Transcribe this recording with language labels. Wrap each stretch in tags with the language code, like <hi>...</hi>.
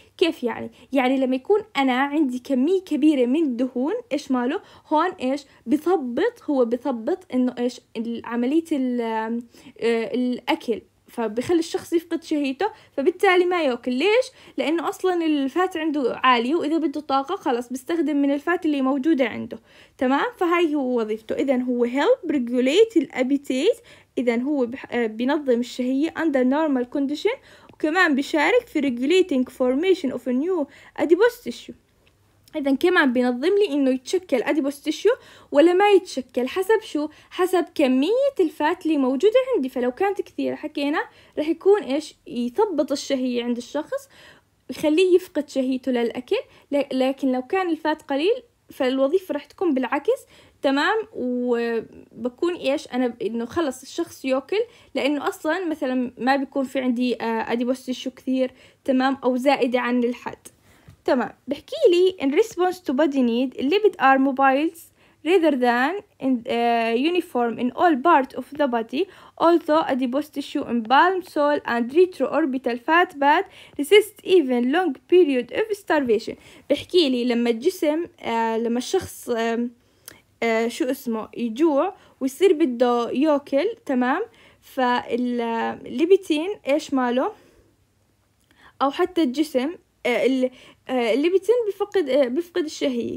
<ar>كيف يعني؟ يعني لما يكون انا عندي كمية كبيرة من الدهون ايش ماله؟ هون ايش بيثبط؟ هو بيثبط انه ايش؟ عملية الاكل، فبيخلي الشخص يفقد شهيته، فبالتالي ما يأكل. ليش؟ لأنه أصلاً الفات عنده عالي، وإذا بده طاقة خلاص بيستخدم من الفات اللي موجودة عنده، تمام؟ فهاي هو وظيفته. إذن هو</ar> <en>help regulate</en> <ar>الابيتيت، إذن هو بنظم الشهية</ar> <en>under normal condition،</en> <ar>وكمان بيشارك في</ar> <en>regulating formation of a new adipose tissue.</en> <ar>اذا كمان بينظم لي انه يتشكل اديبوس تيشو ولا ما يتشكل، حسب شو؟ حسب كميه الفات اللي موجوده عندي. فلو كانت كثيره حكينا رح يكون ايش؟ يثبط الشهيه عند الشخص، يخليه يفقد شهيته للاكل. لكن لو كان الفات قليل فالوظيفه رح تكون بالعكس، تمام؟ وبكون ايش انا انه خلص الشخص ياكل، لانه اصلا مثلا ما بيكون في عندي اديبوس تيشو كثير، تمام؟ او زائده عن الحد، تمام. بحكي لي</ar> <en>in response to body need lipids are mobile rather than uniform in all part of the body, although adipose tissue in palm, sole and retroorbital fat bed resist even long period of starvation.</en> <ar>بحكي لي لما الجسم لما الشخص شو اسمه يجوع ويصير بده ياكل، تمام؟ فالليبتين ايش ماله؟ او حتى الجسم الليبتين بفقد الشهية.</ar>